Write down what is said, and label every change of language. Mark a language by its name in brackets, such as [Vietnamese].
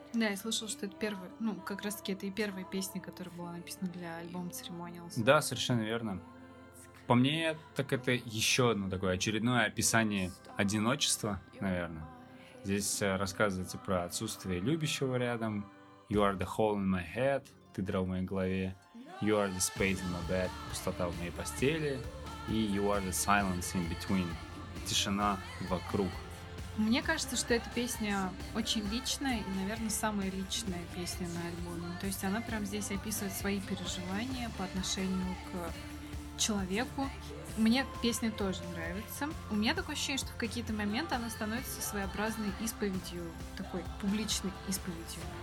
[Russian] Да, я слышала, что это первая, ну, как раз-таки это и первая песня, которая была написана для альбома Ceremonials. Да, совершенно верно. По мне, так это еще одно такое очередное описание одиночества, наверное. Здесь рассказывается про отсутствие любящего рядом. [English] You are the hole in my head. [Russian] Ты дыра в моей голове. [English] You are the space in my bed. [Russian] Пустота в моей постели. [English] И you are the silence in between. [Russian] Тишина вокруг. Мне кажется, что эта песня очень личная и, наверное, самая личная песня на альбоме. То есть она прям здесь описывает свои переживания по отношению к человеку. Мне песня тоже нравится. У меня такое ощущение, что в какие-то моменты она становится своеобразной исповедью, такой публичной исповедью.